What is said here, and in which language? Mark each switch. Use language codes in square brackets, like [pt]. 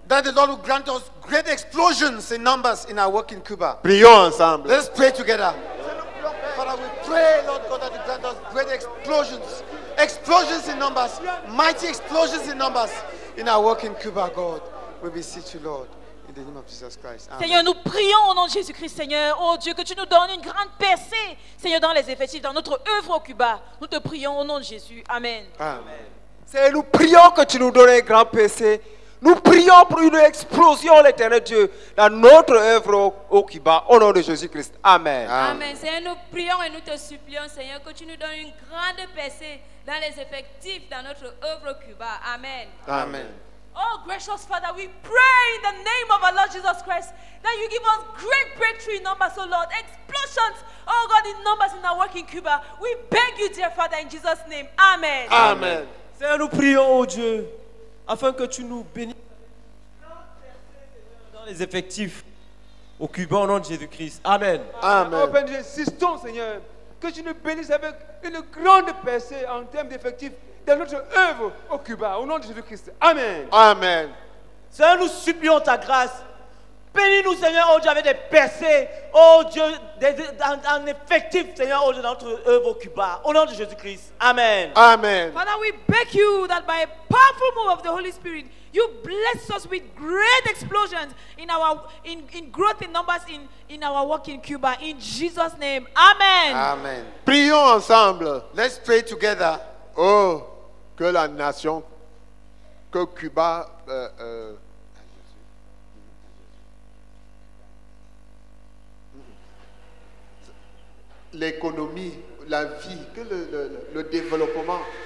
[en] That the Lord will grant us great explosions in numbers in our work in Cuba. [fr] Prions ensemble. [en] Let us pray together. Father, we pray, Lord God, that you grant us great explosions. Explosions in numbers. Mighty explosions in numbers in our work in Cuba, God. We beseech you, Lord, in the name of Jesus Christ. Amen. [fr] Seigneur, nous prions au nom de Jésus-Christ, Seigneur. Oh Dieu, que tu nous donnes une grande percée, Seigneur, dans les effectifs, dans notre œuvre au Cuba. Nous te prions au nom de Jésus. Amen. Amen. Seigneur, nous prions que tu nous donnes une grande percée. Nous prions pour une explosion, l'éternel Dieu, dans notre œuvre au Cuba, au nom de Jésus-Christ. Amen. Amen. Seigneur, nous prions et nous te supplions, Seigneur, que tu nous donnes une grande percée dans les effectifs, dans notre œuvre au Cuba. Amen. Amen. [en] Oh, gracious Father, we pray in the name of our Lord Jesus Christ that you give us great breakthrough in numbers, oh Lord. Explosions, oh God, in numbers in our work in Cuba. We beg you, dear Father, in Jesus' name. Amen. Amen. [fr] Seigneur, nous prions, oh Dieu, afin que tu nous bénisses dans les effectifs au Cuba, au nom de Jésus-Christ. Amen. Amen. Oh, ben, insistons, Seigneur, que tu nous bénisses avec une grande percée en termes d'effectifs de notre œuvre au Cuba, au nom de Jésus-Christ. Amen. Amen. Seigneur, nous supplions ta grâce. Bénis-nous, Seigneur, oh Dieu, avec des percées, oh Dieu, en effectif, Seigneur, oh Dieu, dans notre œuvre au Cuba, au nom de Jésus-Christ. Amen. Amen. [en] Father, we beg you that by a powerful move of the Holy Spirit, you bless us with great explosions in our in growth in numbers in our work in Cuba, in Jesus' name. Amen. [fr] Amen. Prions ensemble. [en] Let's pray together. [fr] Oh, que la nation, que Cuba, l'économie, la vie, que le développement.